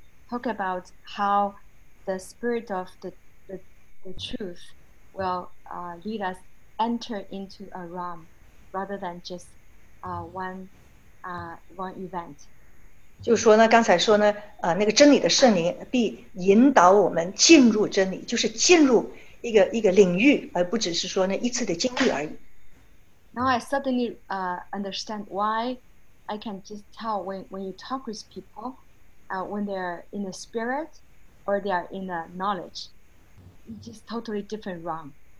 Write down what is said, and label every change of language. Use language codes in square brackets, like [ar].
[en] Talk about how the spirit of the truth will lead us enter into a realm rather than just one event. [zh] 就是说呢，刚才说呢，那个真理的圣灵必引导我们进入真理，就是进入一个领域，而不只是说那一次的经历而已。Now [en] I suddenly understand why I can just tell when you talk with people, when they're in the spirit or they are in the knowledge, it's just totally different realm.